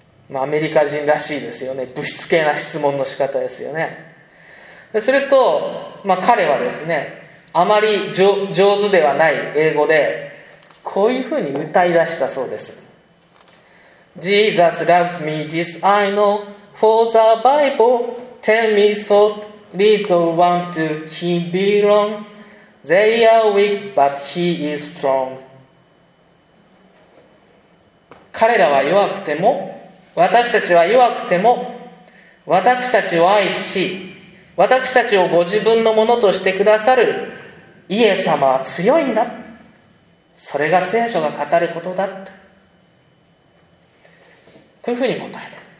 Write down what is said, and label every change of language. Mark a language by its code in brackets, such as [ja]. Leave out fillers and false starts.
[ja] まあ、アメリカ人らしいですよね。ぶしつけな質問の仕方ですよね。すると、まあ、彼はですね、あまり上手ではない英語で、こういうふうに歌い出したそうです。 [en] Jesus loves me, this I know, for the Bible, tell me so, little one to him belong, they are weak, but he is strong. [ja] 彼らは弱くても、私たちは弱くても、私たちを愛し、私たちをご自分のものとしてくださる、イエス様は強いんだ。それが聖書が語ることだ。こういうふうに答えた。